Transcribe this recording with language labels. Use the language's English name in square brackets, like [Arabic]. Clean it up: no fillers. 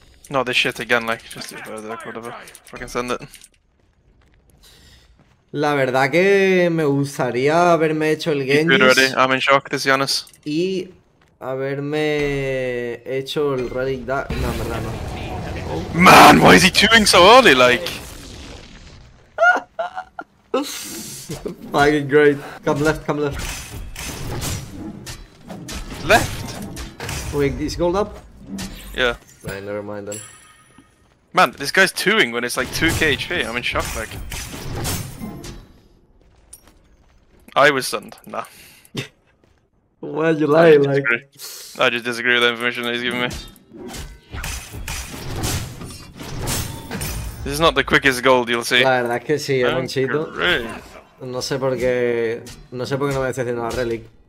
[English] No, this shit again, like, just do whatever, whatever. Fucking send it. [Spanish] La verdad que me gustaría haberme hecho el Genji. [English] Good already. I'm in shock, to be honest. [Spanish] Y haberme hecho el Relic Dark. No, en verdad no. [English] Man, why is he chewing so early, like? Fucking great. Come left, come left. Left? Wait, is gold up? Yeah. Nah, never mind then. Man, this guy's chewing when it's like 2k HP. I'm in shock, like. I was stunned. Nah. Why'd you lie, like? Disagree. I just disagree with the information that he's giving me. This is not the quickest gold you'll see. [Spanish] La verdad es que sí, es un chito. No sé por qué no me estoy haciendo la relic.